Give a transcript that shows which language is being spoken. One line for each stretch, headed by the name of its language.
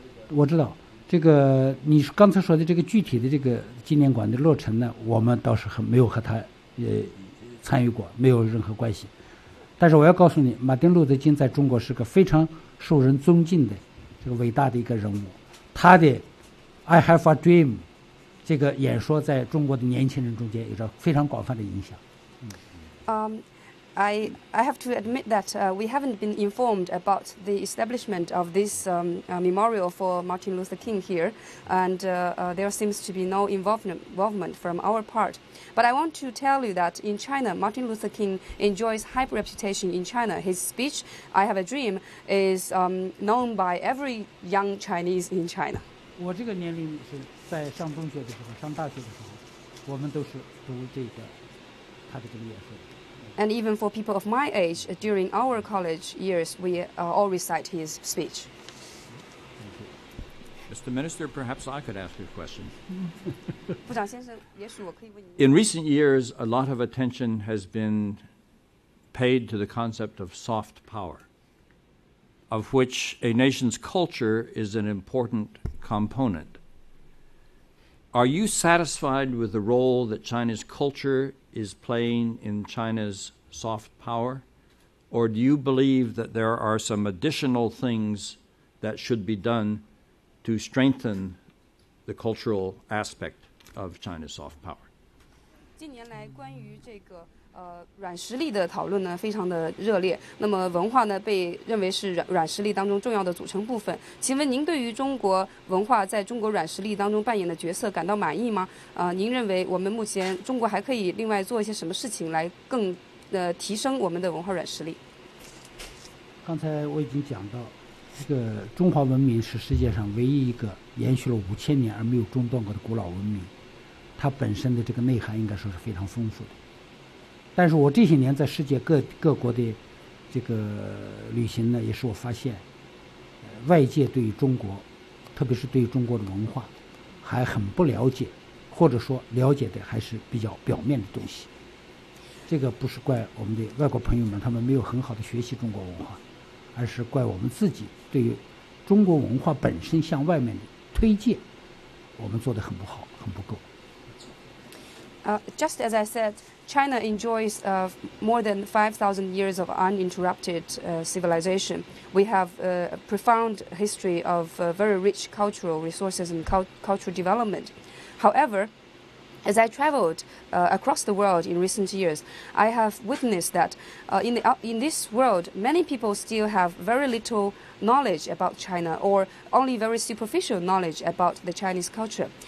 Chinese: 我知道这个你刚才说的这个具体的这个纪念馆的落成呢，我们倒是很没有和他参与过，没有任何关系。但是我要告诉你，马丁·路德·金在中国是个非常受人尊敬的这个伟大的一个人物，他的
English: "I Have a Dream"。
Chinese: 这个演说在中国的年轻人中间有着非常广泛的影响。
English: I have to admit that we haven't been informed about the establishment of this memorial for Martin Luther King here, and there seems to be no involvement from our part. But I want to tell you that in China, Martin Luther King enjoys high reputation in China. His speech, "I Have a Dream," is known by every young Chinese in China.
Chinese: 我这个年龄是在上中学的时候，上大学的时候，我们都是读这个他的这个演说。
English: And even for people of my age, during our college years, we all recite his speech. Mr. Minister, perhaps I could ask you a question.
Chinese: 部长先生，也许我可以问你。
English: In recent years, a lot of attention has been paid to the concept of soft power, of which a nation's culture is an important component. Are you satisfied with the role that China's culture is playing in China's soft power, or do you believe that there are some additional things that should be done to strengthen the cultural aspect of China's soft power?
Chinese: 近年来关于这个软实力的讨论呢非常的热烈，那么文化呢被认为是软实力当中重要的组成部分，请问您对于中国文化在中国软实力当中扮演的角色感到满意吗？您认为我们目前中国还可以另外做一些什么事情来更提升我们的文化软实力？刚才我已经讲到，这个中华文明是世界上唯一一个延续了5000年而没有中断过的古老文明，它本身的这个内涵应该说是非常丰富的。但是我这些年在世界各国的这个旅行呢，也是我发现，外界对于中国，特别是对于中国的文化，还很不了解，或者说了解的还是比较表面的东西。这个不是怪我们的外国朋友们，他们没有很好的学习中国文化，而是怪我们自己对于中国文化本身向外面的推介，我们做得很不好，很不够。
English: Just as I said, China enjoys more than 5,000 years of uninterrupted civilization. We have a profound history of very rich cultural resources and cultural development. However, as I traveled across the world in recent years, I have witnessed that in this world, many people still have very little knowledge about China or only very superficial knowledge about the Chinese culture.